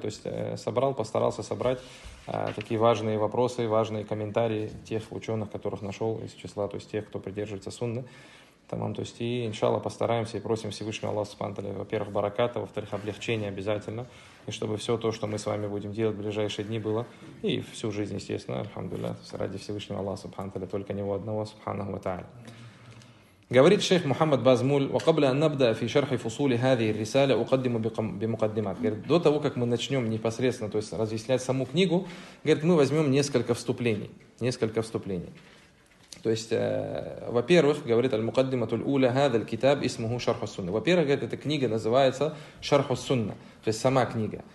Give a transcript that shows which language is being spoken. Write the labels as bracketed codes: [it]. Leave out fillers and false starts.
[ru] То есть постарался собрать такие важные вопросы, важные комментарии тех ученых, которых нашел из числа, то есть тех, кто придерживается сунны. Тамам, то есть, и, иншалла, постараемся и просим Всевышнего Аллаха Субхану Тааля, во-первых, бараката, во-вторых, облегчения обязательно, и чтобы все то, что мы с вами будем делать в ближайшие дни, было, и всю жизнь, естественно, альхамдулиллах, ради Всевышнего Аллаха Субхану Тааля, только Него одного, Субхану Ва Тааля. Говорит шейх Мухаммад Базмуль, [ar] وقبل أن نبدأ في شرح فصول هذه الرسالة أقدم بمقدمات. [ru] Говорит, до того, как мы начнем непосредственно, то есть, разъяснять саму книгу, говорит, мы возьмем несколько вступлений. То есть, во-первых, говорит [ar] Аль-Мукаддиматуль Уля, هذا الكتاب اسمه شرح السنة. [ru] Во-первых, говорит, эта книга называется شرح السنة. То есть, сама книга.